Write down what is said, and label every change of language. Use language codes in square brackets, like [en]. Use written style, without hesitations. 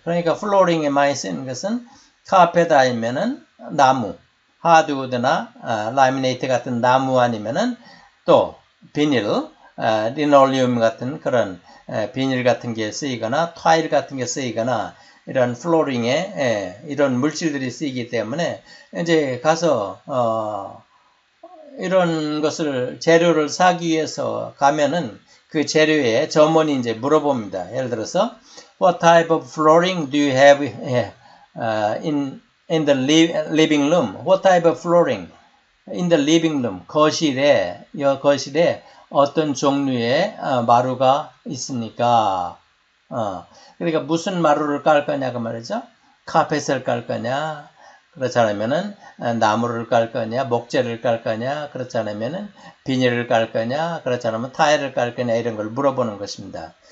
[ko] 그러니까 플로어링에 많이 쓰는 것은 카펫 아니면은 나무, 하드우드나 라미네이트 같은 나무 아니면은 또 비닐, 리놀리움 같은 그런 비닐 같은 게 쓰이거나 타일 같은 게 쓰이거나 이런 플로어링에 이런 물질들이 쓰이기 때문에 이제 가서 이런 것을 재료를 사기 위해서 가면은 그 재료에 점원이 이제 물어봅니다. 예를 들어서 [en] What type of flooring do you have in the living room? What type of flooring in the living room? [ko] 거실에 여 거실에 어떤 종류의 마루가 있습니까? 그러니까 무슨 마루를 깔 거냐 그 말이죠. 카펫을 깔 거냐? 그렇지 않으면은 나무를 깔 거냐, 목재를 깔 거냐, 그렇지 않으면은 비닐을 깔 거냐, 그렇지 않으면 타일을 깔 거냐 이런 걸 물어보는 것입니다.